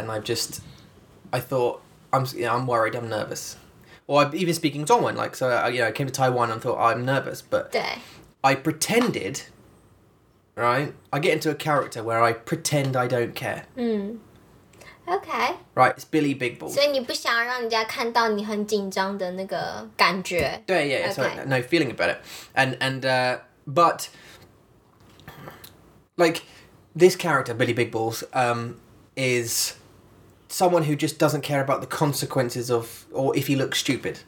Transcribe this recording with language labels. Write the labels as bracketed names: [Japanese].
[English] And I've just, I thought, I'm worried, I'm nervous. Or I'm even speaking Zhongwen, like, so, you know, I came to Taiwan and thought, I'm nervous, but... I pretended, right? I get into a character where I pretend I don't care. Okay. Right, it's Billy Big Balls. [Chinese] 所以你不想让人家看到你很紧张的那个感觉. [English] Okay. So, no feeling about it. But, like, this character, Billy Big Balls, is someone who just doesn't care about the consequences of, or if he looks stupid.